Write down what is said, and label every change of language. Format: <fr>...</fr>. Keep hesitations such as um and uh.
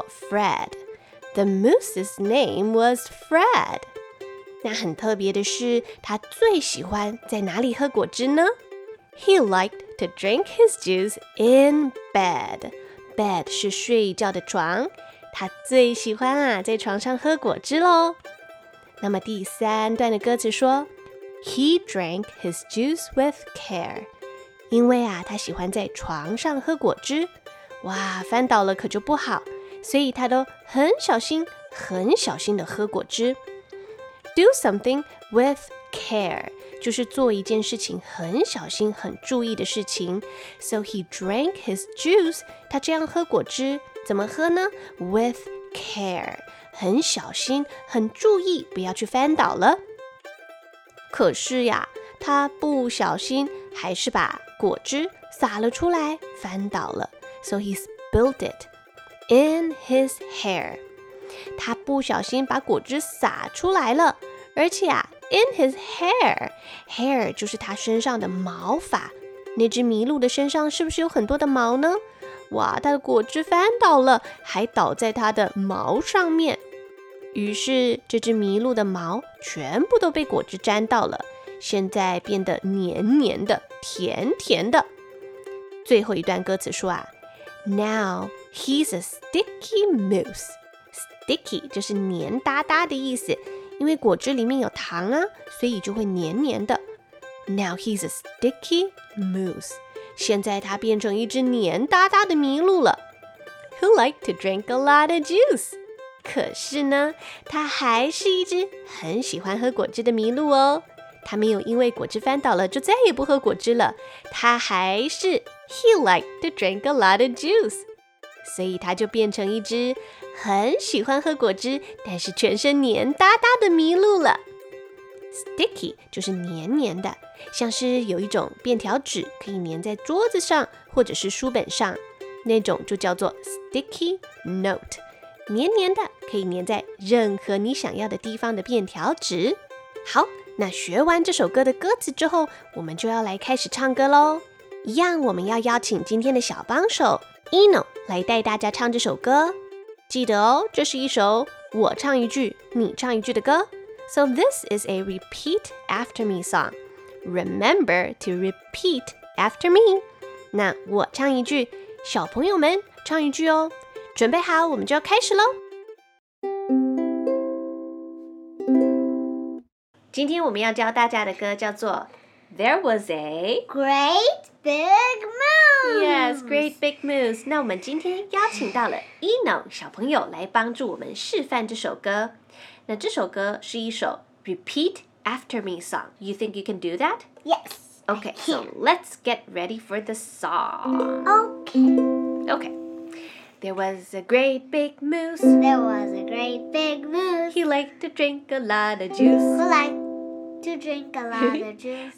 <en>Fred。 The moose's name was Fred. Fred。</en> <zh>那很特别的是，他最喜欢在哪里喝果汁呢？</zh> <en>He liked to drink his juice in bed.</en> <zh>bed 是睡觉的床，他最喜欢啊，在床上喝果汁喽。那么第三段的歌词说，</zh> <en>He drank his juice with care，</en> <zh>因为啊，他喜欢在床上喝果汁，哇，翻倒了可就不好，所以他都很小心、很小心的喝果汁。</zh> <en>Do something with care。</en> <zh>就是做一件事情很小心、很注意的事情，</zh> <en>so he drank his juice。</en> <zh>他这样喝果汁，怎么喝呢？</zh> <en>With care，</en> <zh>很小心、很注意，不要去翻倒了。可是呀，他不小心还是把果汁洒了出来，翻倒了。</zh> <en>So he spilled it in his hair。</en> <zh>他不小心把果汁洒出来了，而且啊。</zh> <en>In his hair,</en> <zh>hair 就是他身上的毛发。那只麋鹿的身上是不是有很多的毛呢？哇，它的果汁翻倒了，还倒在它的毛上面。于是，这只麋鹿的毛全部都被果汁沾到了，现在变得黏黏的、甜甜的。最后一段歌词说啊，</zh> <en>Now he's a sticky moose。</en> <zh>sticky 就是黏哒哒的意思。因为果汁里面有糖啊，所以就会黏黏的。</zh> <en>Now he's a sticky moose。</en> <zh>现在他变成一只黏哒哒的麋鹿了。</zh> <en>Who like to drink a lot of juice？</en> <zh>可是呢，他还是一只很喜欢喝果汁的麋鹿哦。他没有因为果汁翻倒了就再也不喝果汁了，他还是。</zh> <en>He like to drink a lot of juice。</en> <zh>所以它就变成一只很喜欢喝果汁，但是全身黏哒哒的麋鹿了。 Sticky 就是黏黏的，像是有一种便条纸可以粘在桌子上或者是书本上，那种就叫做 sticky note，黏黏的可以粘在任何你想要的地方的便条纸。好，那学完这首歌的歌词之后，我们就要来开始唱歌喽。一样，我们要邀请今天的小帮手。Eno 来带大家唱这首歌。记得哦，这是一首我唱一句，你唱一句的歌。</zh> <en>So this is a repeat after me song. Remember to repeat after me.</en> <zh>那我唱一句，小朋友们唱一句哦。准备好，我们就要开始喽。今天我们要教大家的歌叫做《There Was a Great Big》。</zh> <en>Yes, great big moves.</en> <zh>那我们今天邀请到了 Eno 小朋友来帮助我们示范这首歌。那这首歌是一首</zh> <en>Repeat After Me song. You think you can do that? Yes. Okay. So let's get ready for the song. Okay. Okay. There was a great big moose. There was a great big moose. He liked to drink a lot of juice. Mm he -hmm. liked to drink a lot of juice.</en>